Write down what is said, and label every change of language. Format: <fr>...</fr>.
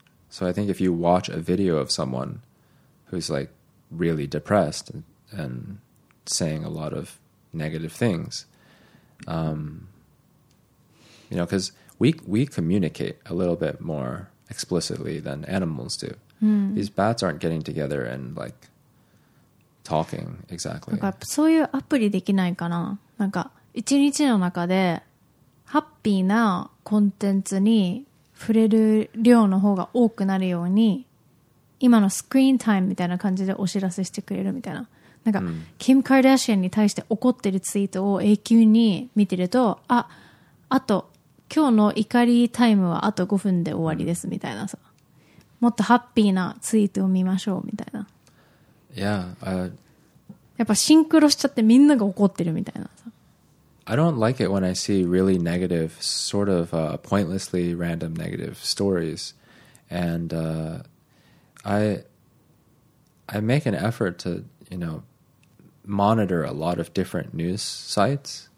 <en>So I think if you watch a video of someone who's like really depressed and saying a lot of negative things, you know, because we communicate a little bit more explicitly than animals do. These bats aren't getting together and like talking exactly.</en> <ja>なんかそういうアプリできないかな。なんか一日の中でハッピーなコンテンツに触れる量の方が多くなるように、今のスクリーンタイムみたいな感じでお知らせしてくれるみたいな、なんか、キム・カーダシアンに対して怒ってるツイートを永久に見てると、あと今日の怒りタイムはあと5分で終わりですみたいなさ、もっとハッピーなツイートを見ましょうみたいな。</ja> <en>yeah,</en> <ja>やっぱシンクロしちゃってみんなが怒ってるみたいなさ。</ja> <en>I don't like it when I see really negative, sort of pointlessly random negative stories. And I make an effort to, you know, monitor a lot of different news sites.</en>